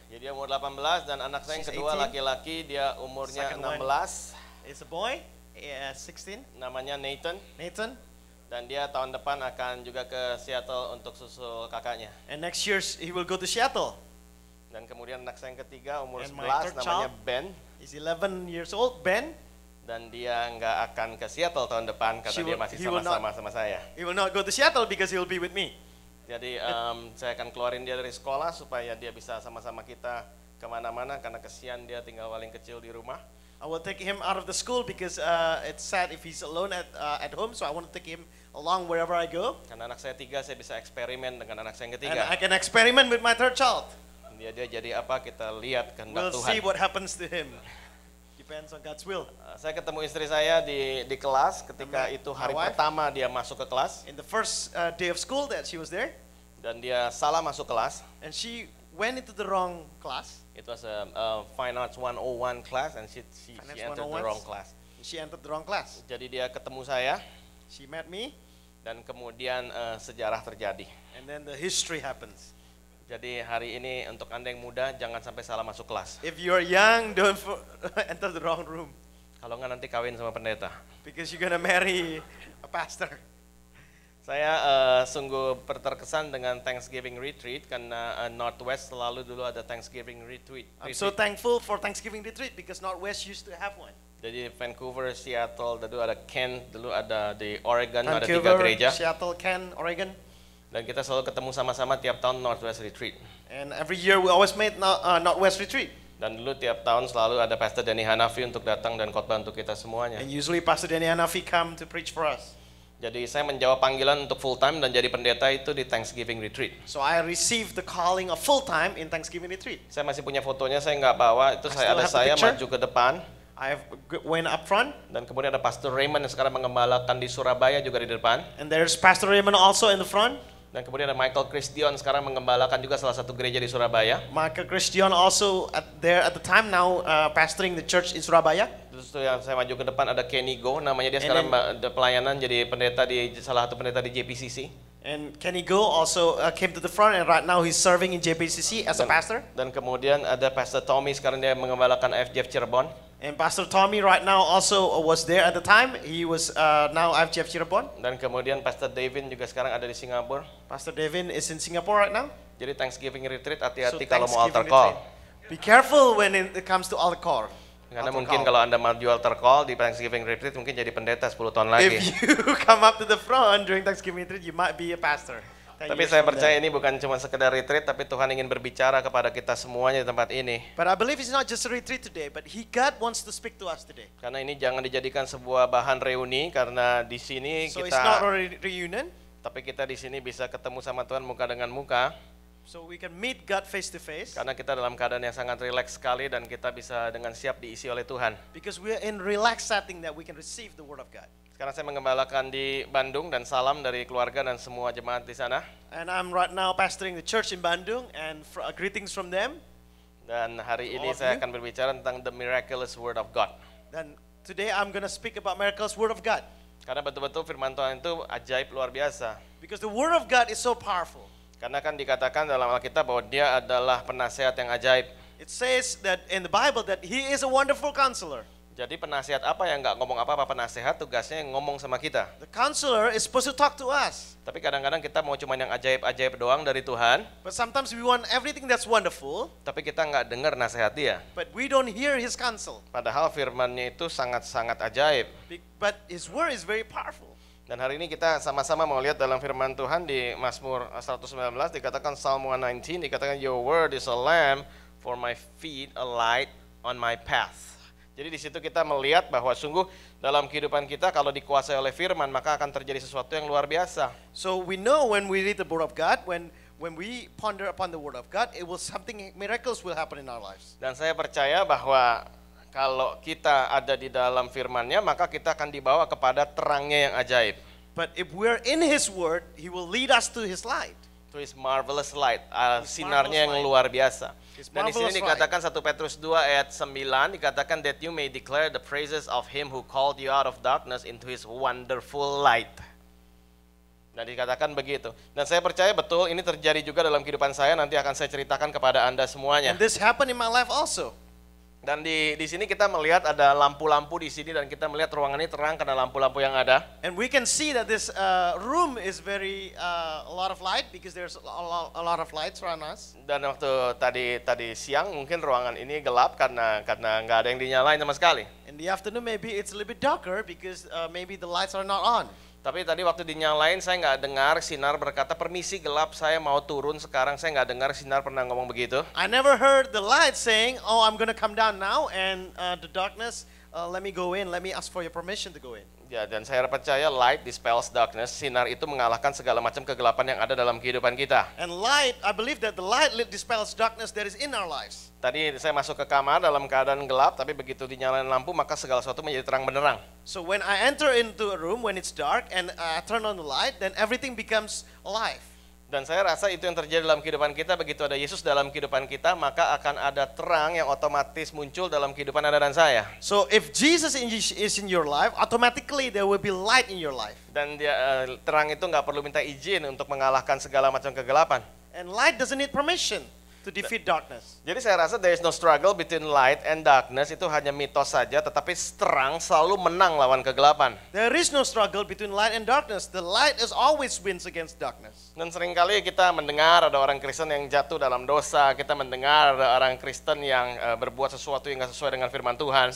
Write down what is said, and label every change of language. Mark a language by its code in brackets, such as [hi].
[id] Jadi umur 18 dan anak saya yang kedua laki-laki dia umurnya 16. [en] It's a boy, 16. [id] Namanya Nathan. [en] Nathan. [id] Dan dia tahun depan akan juga ke Seattle untuk susul kakaknya. [en] And next year he will go to Seattle. [id] Dan kemudian anak saya yang ketiga umur 11 namanya Ben. [en] He's 11 years old, Ben. [id] Dan dia enggak akan ke Seattle tahun depan karena dia masih sama-sama sama saya. [en] He will not go to Seattle because he will be with me. [id] Jadi saya akan keluarin dia dari sekolah supaya dia bisa sama-sama kita kemana-mana karena kesian dia tinggal paling kecil di rumah. [en] I will take him out of the school because it's sad if he's alone at home, so I want to take him along wherever I go. [id] Karena anak saya tiga, saya bisa eksperimen dengan anak saya yang ketiga. [en] And I can experiment with my third child. [id] Dia jadi apa kita lihat kehendak [en] Tuhan. We'll see what happens to him. Depends on God's will. [id] Saya ketemu istri saya di kelas ketika itu hari pertama dia masuk ke kelas. [en] In the first day of school that she was there. [id] Dan dia salah masuk kelas. [en] And she went into the wrong class. It was a fine arts 101 class and she entered the wrong class. She entered the wrong class. [id] Jadi dia ketemu saya. [en] She met me. [id] Dan kemudian sejarah terjadi. [en] And then the history happens. [id] Jadi hari ini untuk Anda yang muda jangan sampai salah masuk kelas. [en] If you are young, don't enter the wrong room. [id] Kalau enggak nanti kawin sama pendeta. [en] Because you're gonna marry a pastor. [id] Saya sungguh terkesan dengan Thanksgiving retreat karena Northwest selalu dulu ada Thanksgiving retreat. [en] I'm so thankful for Thanksgiving retreat because Northwest used to have one. [id] Jadi Vancouver, Seattle, dulu ada Kent, dulu ada di Oregon, [en] Vancouver, [id] ada tiga gereja. [en] Seattle, Kent, Oregon. [id] Dan kita selalu ketemu sama-sama tiap tahun Northwest retreat. [en] And every year we always meet Northwest retreat. [id] Dan dulu tiap tahun selalu ada Pastor Danny Hanafi untuk datang dan khotbah untuk kita semuanya. [en] And usually Pastor Danny Hanafi come to preach for us. [id] Jadi saya menjawab panggilan untuk full time dan jadi pendeta itu di Thanksgiving retreat. [en] So I received the calling of full time in Thanksgiving retreat. [id] Saya masih punya fotonya, saya enggak bawa itu, saya ada saya maju ke depan. [en] I have went up front. [id] Dan kemudian ada Pastor Raymond yang sekarang mengembalakan di Surabaya juga di depan. [en] And there's Pastor Raymond also in the front. [id] Dan kemudian ada Michael Christian sekarang mengembalakan juga salah satu gereja di Surabaya. [en] Michael Christian also at the time now pastoring the church in Surabaya. [id] Terus yang saya maju ke depan ada Kenny Go, namanya dia sekarang ada pelayanan jadi pendeta di salah satu pendeta di JPCC. [en] And Kenny Go also came to the front and right now he's serving in JPCC as a pastor. Dan kemudian ada Pastor Tommy sekarang dia mengembalakan IFGF Cirebon. And Pastor Tommy right now also was there at the time. He was now IFGF Cirebon. [id] Dan kemudian Pastor Devin juga sekarang ada di Singapore. [en] Pastor Devin is in Singapore right now. [id] Jadi Thanksgiving retreat hati-hati kalau mau altar call. [en] Be careful when it comes to altar call. [id] Karena mungkin kalau Anda mau altar call di Thanksgiving retreat mungkin jadi pendeta 10 tahun lagi. [en] If you come up to the front during Thanksgiving retreat, you might be a pastor. [id] Tapi saya percaya ini bukan cuma sekedar retreat, tapi Tuhan ingin berbicara kepada kita semuanya di tempat ini. [en] But I believe it's not just a retreat today, but God wants to speak to us today. [id] Karena ini jangan dijadikan sebuah bahan reuni, karena di sini kita. [en] So it's not a reunion. [id] Tapi kita di sini bisa ketemu sama Tuhan muka dengan muka. [en] So we can meet God face to face. [id] Karena kita dalam keadaan yang sangat rileks sekali dan kita bisa dengan siap diisi oleh Tuhan. [en] Because we are in relaxed setting that we can receive the word of God. [id] Karena saya mengembalakan di Bandung dan salam dari keluarga dan semua jemaat di sana. [en] And I'm right now pastoring the church in Bandung and greetings from them. [id] Dan hari ini saya akan berbicara tentang [en] the miraculous word of God. Then today I'm going to speak about miraculous word of God. [id] Karena betul-betul firman Tuhan itu ajaib luar biasa. [en] Because the word of God is so powerful. [id] Karena kan dikatakan dalam Alkitab bahwa dia adalah penasihat yang ajaib. [en] It says that in the Bible that he is a wonderful counselor. [id] Jadi penasihat apa yang enggak ngomong apa-apa, penasihat tugasnya yang ngomong sama kita. [en] The counselor is supposed to talk to us. [id] Tapi kadang-kadang kita mau cuma yang ajaib-ajaib doang dari Tuhan. [en] But sometimes we want everything that's wonderful. [id] Tapi kita enggak dengar nasihat dia. [en] But we don't hear his counsel. [id] Padahal firman-Nya itu sangat-sangat ajaib. [en] But his word is very powerful. [id] Dan hari ini kita sama-sama mau lihat dalam firman Tuhan di Mazmur 119 dikatakan Psalm 119 dikatakan [en] your word is a lamp for my feet, a light on my path. [id] Jadi di situ kita melihat bahwa sungguh dalam kehidupan kita kalau dikuasai oleh firman maka akan terjadi sesuatu yang luar biasa. [en] So we know when we read the word of God, when we ponder upon the word of God, it will something miracles will happen in our lives. [id] Dan saya percaya bahwa kalau kita ada di dalam firman-Nya maka kita akan dibawa kepada terang-Nya yang ajaib. [en] But if we are in his word, he will lead us to his light. To his marvelous light, [id] sinar-Nya yang luar biasa. Dan di sini dikatakan 1 Petrus 2 ayat 9 dikatakan [en] that you may declare the praises of him who called you out of darkness into his wonderful light. [id] Dan dikatakan begitu. Dan saya percaya betul ini terjadi juga dalam kehidupan saya, nanti akan saya ceritakan kepada Anda semuanya. [en] And this happened in my life also. [id] Dan di sini kita melihat ada lampu-lampu di sini, dan kita melihat ruangan ini terang karena lampu-lampu yang ada. [en] And we can see that this room is very a lot of light because there's a lot of lights around us. [id] Dan waktu tadi siang mungkin ruangan ini gelap karena enggak ada yang dinyalain sama sekali. [en] In the afternoon maybe it's a little bit darker because maybe the lights are not on. [id] Tapi tadi waktu dinyalain saya enggak dengar sinar berkata permisi gelap saya mau turun sekarang, saya enggak dengar sinar pernah ngomong begitu. [en] I never heard the light saying, "Oh, I'm going to come down now and the darkness, let me go in, let me ask for your permission to go in." [id] Ya, dan saya percaya [en] light dispels darkness, [id] sinar itu mengalahkan segala macam kegelapan yang ada dalam kehidupan kita. [en] And light, I believe that the light dispels darkness that is in our lives. [id] Tadi saya masuk ke kamar dalam keadaan gelap, tapi begitu dinyalain lampu maka segala sesuatu menjadi terang benderang. [en] So when I enter into a room when it's dark and I turn on the light, then everything becomes alive. [id] Dan saya rasa itu yang terjadi dalam kehidupan kita, begitu ada Yesus dalam kehidupan kita maka akan ada terang yang otomatis muncul dalam kehidupan Anda dan saya. [en] So if Jesus is in your life, automatically there will be light in your life. [id] Dan dia, terang itu enggak perlu minta izin untuk mengalahkan segala macam kegelapan. [en] And light doesn't need permission to defeat darkness. [id] Jadi saya rasa [en] there is no struggle between light and darkness, [id] itu hanya mitos saja, tetapi terang selalu menang lawan kegelapan. [en] There is no struggle between light and darkness. The light is always wins against darkness. [id] Dan seringkali kita mendengar ada orang Kristen yang jatuh dalam dosa, kita mendengar ada orang Kristen yang berbuat sesuatu yang enggak sesuai dengan firman Tuhan.